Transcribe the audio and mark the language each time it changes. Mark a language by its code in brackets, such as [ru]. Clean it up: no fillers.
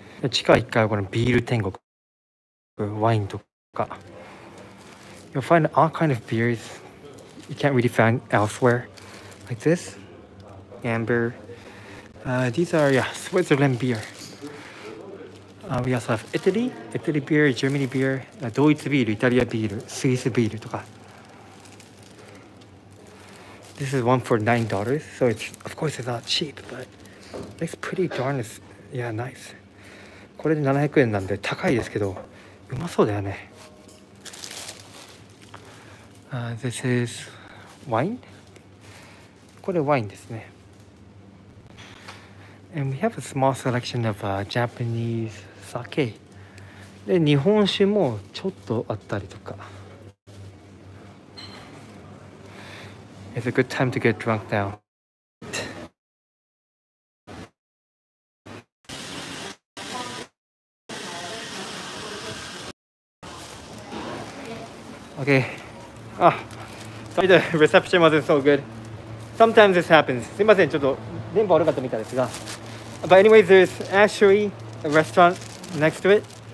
[ja] 地下1階はこのビール天国。ワインとか。 [en] You'll find all kinds of beers you can't really find elsewhere. Like this. Amber. These are, yeah, Switzerland beer. We also have Italy. Italy beer, Germany beer. [ja] ドイツビール、イタリアビール、スイスビールとか。 [en] This is one for $9, so it's, of course, it's not cheap, but it's pretty darn nice. [ja] これで700円なんで高いですけど、うまそうだよね。 [en] This is wine. [ja] これワインですね。 [en] And we have a small selection of Japanese sake. [ja] で、日本酒もちょっとあったりとか。 [en] It's a good time to get drunk now. Okay. Ah, sorry, the reception wasn't so good. Sometimes this happens. [ja] すいません、ちょっと電波悪かったみたいですが。 [en] But anyways, there's actually a restaurant next to it.